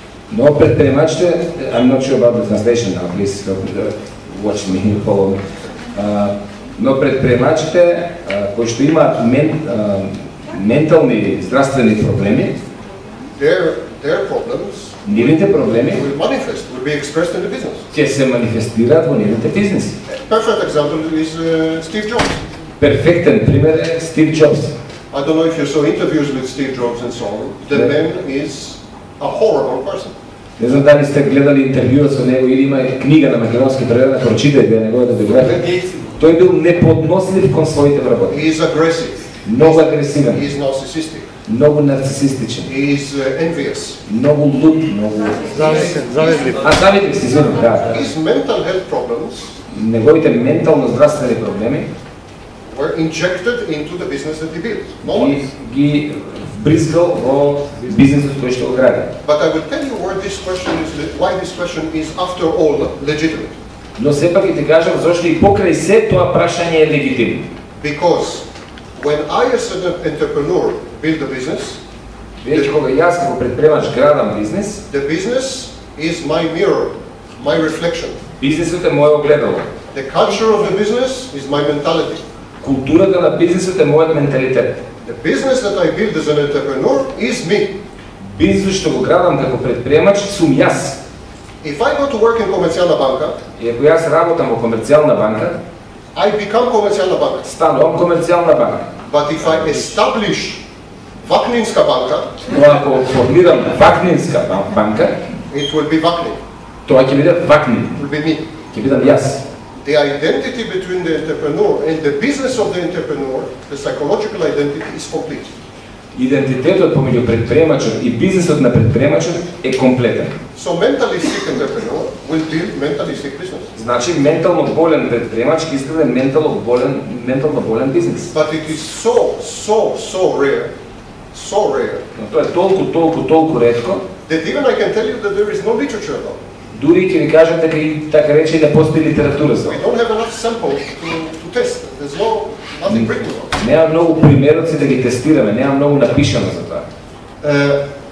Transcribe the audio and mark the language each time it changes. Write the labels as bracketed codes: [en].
[mk] Но предприемачите, [en] I'm not sure about the translation now, please help me, watch me, follow me. [mk] Но предприемачите кои што имаат ментални здравствени проблеми, [en] their problems, [mk] нивните проблеми [en] will manifest, will be expressed in the business. [mk] Ќе се манифестираат во нивните бизнеси. [en] Perfect example is Steve Jobs. [mk] Перфектен пример е Steve Jobs. [en] I don't know if you saw interviews with Steve Jobs and so on. The man is a horrible person. [mk] Не знам дали сте гледали интервјуа со него или има книга на македонски преведена, прочитајте ја неговата биографија. Тој бил неподнослив кон своите вработки. [en] He is aggressive. [mk] Многу агресивен. [en] He is narcissistic. [mk] Многу нарцисистичен. [en] He is envious. [mk] Многу луд, многу завидлив. А завидлив си, да. [en] His mental health problems. [mk] Неговите ментално здравствени проблеми [en] were injected into the business that he built. No one. [mk] Ги вбризгал во бизнесот кој што го гради. [en] But I will tell you why this question is after all legitimate. [mk] Но сепак и ти кажам зошто и покрај се тоа прашање е легитимно. [en] Because when I as an entrepreneur build a business, [mk] веќе кога јас како предприемач градам бизнес, [en] the business is my mirror, my reflection. [mk] Бизнисот е мое огледало. [en] The culture of the business is my mentality. [mk] Културата на бизнисот е мојот менталитет. [en] The business that I build as an entrepreneur is me. [mk] Бизнисот што го градам како предприемач сум јас. [en] If I go to work in комерцијална банка, [mk] и ако јас работам во комерцијална банка, [en] I become комерцијална банка. [mk] Станувам комерцијална банка. [en] But if I establish Vakninska banka, [mk] но ако формирам Vakninska банка, [en] it will be Vaknin. [mk] Тоа ќе биде Vaknin. [en] It will be me. [mk] Ќе бидам јас. [en] The identity between the entrepreneur and the business of the entrepreneur, the psychological identity is complete. [mk] Идентитетот помеѓу предприемачот и бизнисот на предприемачот е комплетен. [en] So mentally sick entrepreneur will build mentally sick business. [mk] Значи ментално болен предприемач ќе изгради ментално болен бизнис. [en] But it is so rare. So rare. [mk] Но тоа е толку ретко. [en] That even I can tell you that there is no literature about. [mk] Дури ќе ви кажам дека и така рече не постои литература за. [en] We don't have enough samples to test. There's no nothing written about. [mk] Нема многу примероци да ги тестираме, нема многу напишано за тоа.